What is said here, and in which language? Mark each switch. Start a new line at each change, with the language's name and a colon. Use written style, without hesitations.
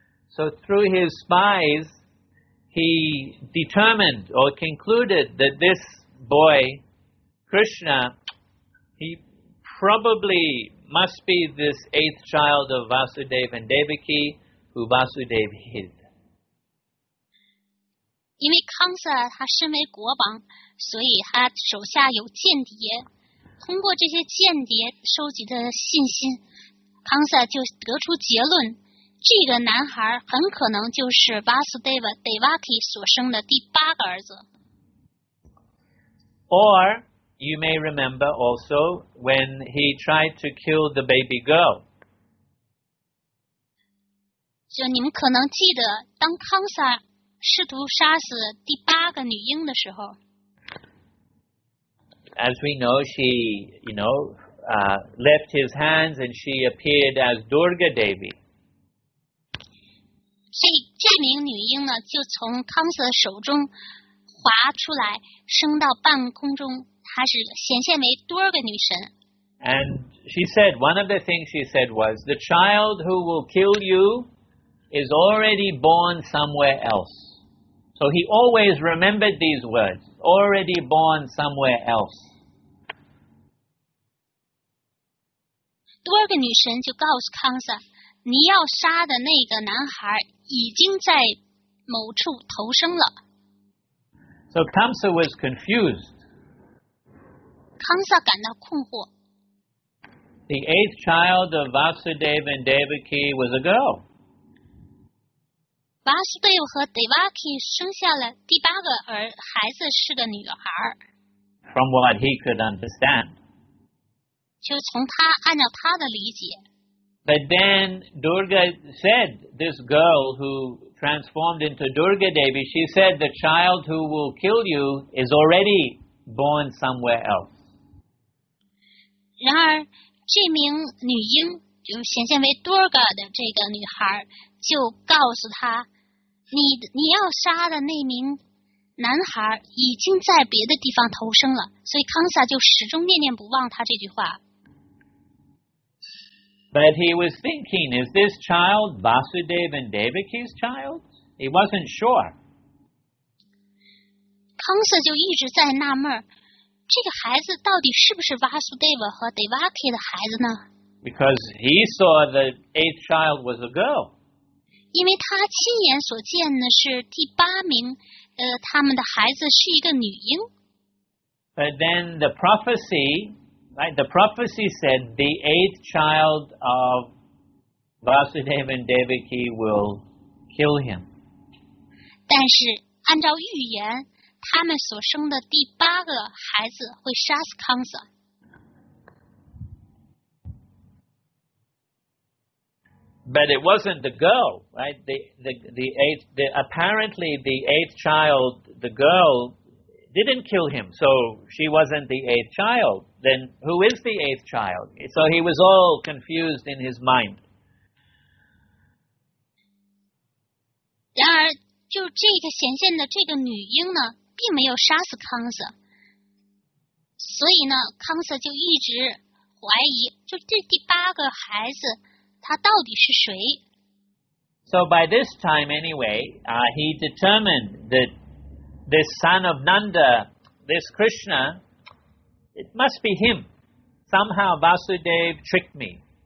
English: So through his spies, he determined or concluded that this boy, Krishna, he probably must be this eighth child of Vasudeva and Devaki, who Vasudeva hid.
Chinese: 因为康萨他身为国王，所以他手下有间谍。通过这些间谍收集的信息，康萨就得出结论：这个男孩很可能就是 Vasudeva Devaki 所生的第八个儿子。
English: Or you may remember also when he tried to kill the baby girl.
Chinese: 就你们可能记得，当康萨。试图杀死第八个女婴的时候
English: ，As we know, she, you know, left his hands and she appeared as Durga Devi.
Chinese: 这名女婴呢，就从康瑟手中滑出来，升到半空中，她是显现为 Durga 女神。
English: And she said, one of the things she said was, the child who will kill you is already born somewhere else. So he always remembered these words, already born somewhere else.
Chinese: 多个女神就告诉康萨，你要杀的那个男孩已经在某处投生了。
English: So Kamsa was confused.
Chinese: 康萨感到困惑。
English: The eighth child of Vasudeva and Devaki was a girl.
Chinese: Vasudeva 和 Devaki 生下了第八个孩子是个女孩。
English: From what he could understand.
Chinese: 就从他按照他的理解。
English: But then Durga said, this girl who transformed into Durga Devi, she said, the child who will kill you is already born somewhere else.
Chinese: 然而这名女婴就显现为 Durga 的这个女孩就告诉她你要杀的那名男孩已经在别的地方投生了，所以康萨就始终念念不忘他这句话。
English: But he was thinking, is this child Vasudeva and Devaki's child? He wasn't sure.
Chinese: 康萨就一直在纳闷，这个孩子到底是不是 Vasudeva 和 Devaki 的孩子呢？
English: Because he saw the eighth child was a girl.
Chinese: 因为他亲眼所见的是第八名，他们的孩子是一个女婴。
English: But then the prophecy, right? The prophecy said the eighth child of Vasudeva and Devaki will kill him.
Chinese: 但是按照预言，他们所生的第八个孩子会杀死康萨。
English: But it wasn't the girl, right? Apparently the eighth child, the girl, didn't kill him. So she wasn't the eighth child. Then who is the eighth child? So he was all confused in his mind.
Chinese: 然而，就这个显现的这个女婴呢，并没有杀死康瑟。所以呢，康瑟就一直怀疑，就这第八个孩子。他到底是谁?
English: So by this time anyway, he determined that this son of Nanda, this Krishna, it must be him. Somehow Vasudeva tricked me.